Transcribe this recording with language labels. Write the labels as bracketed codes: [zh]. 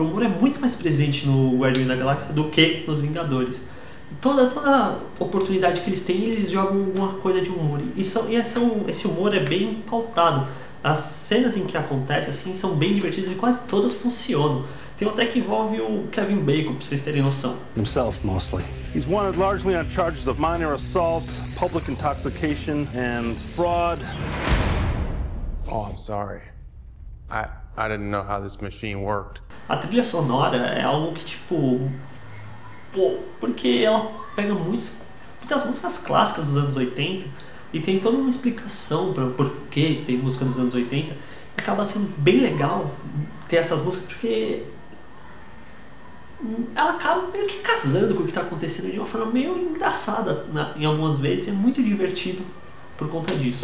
[pt] O humor é muito mais presente no Guardiões da Galáxia do que nos Vingadores. Toda oportunidade que eles têm, eles jogam alguma coisa de humor. Esse humor é bem pautado. As cenas em que acontece assim são bem divertidas e quase todas funcionam. Tem até que envolve o Kevin Bacon, pra vocês terem noção. [en] Himself, mostly. He's wanted largely on charges of minor assault, public intoxication and fraud. Oh, I'm sorry. I didn't know how this machine worked. [pt] A trilha sonora é algo que, tipo, pô, porque ela pega muitas músicas clássicas dos anos 80 e tem toda uma explicação para por que tem música dos anos 80. Acaba sendo bem legal ter essas músicas porque ela acaba meio que casando com o que está acontecendo de uma forma meio engraçada em algumas vezes. É muito divertido por conta disso.